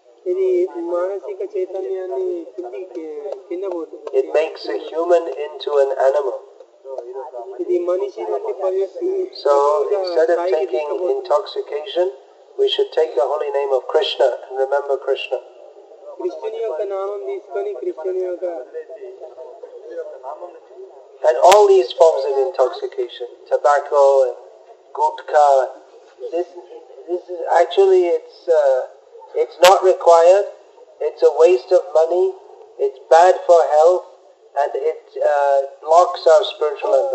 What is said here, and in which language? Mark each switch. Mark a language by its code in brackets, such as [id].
[te] ఇది మానసిక చైతన్యాన్ని కింద పోతుంది. [en] It makes a human into an animal. [te] ఇది మనిషి నుండి పరివర్తి. [en] So instead of taking intoxication, we should take the holy name of Krishna and remember Krishna. [te] కృష్ణుని యొక్క నామం తీసుకొని కృష్ణుని యొక్క [en] And all these forms of intoxication, tobacco and gutkha, this is actually it's not required. It's a waste of money. It's bad for health, and it blocks our spiritual